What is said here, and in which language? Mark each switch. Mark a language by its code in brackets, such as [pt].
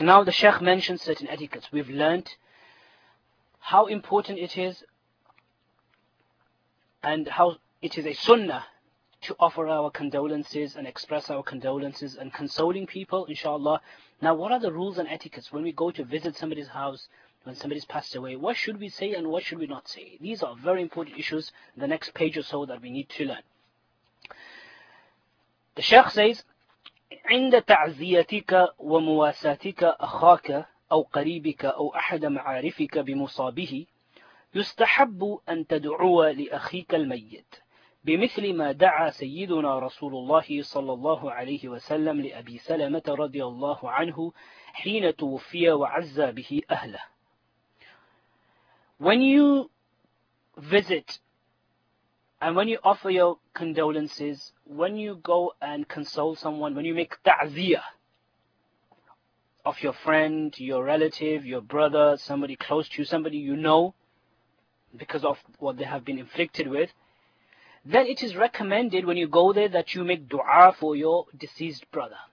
[en] Now the Sheikh mentioned certain etiquettes. We've learned how important it is and how it is a sunnah to offer our condolences and express our condolences and consoling people, inshallah. Now what are the rules and etiquettes when we go to visit somebody's house, when somebody's passed away? What should we say and what should we not say? These are very important issues in the next page or so that we need to learn. The Sheikh says, [ar] عند تعزيتك ومواساتك أخاك أو قريبك أو أحد معارفك بمصابه يستحب أن تدعو لأخيك الميت بمثل ما دعا سيدنا رسول الله صلى الله عليه وسلم لأبي سلمة رضي الله عنه حين توفي وعزى به أهله. [en] When you visit and when you offer your condolences, when you go and console someone, when you make ta'ziyah of your friend, your relative, your brother, somebody close to you, somebody you know because of what they have been inflicted with, then it is recommended when you go there that you make dua for your deceased brother.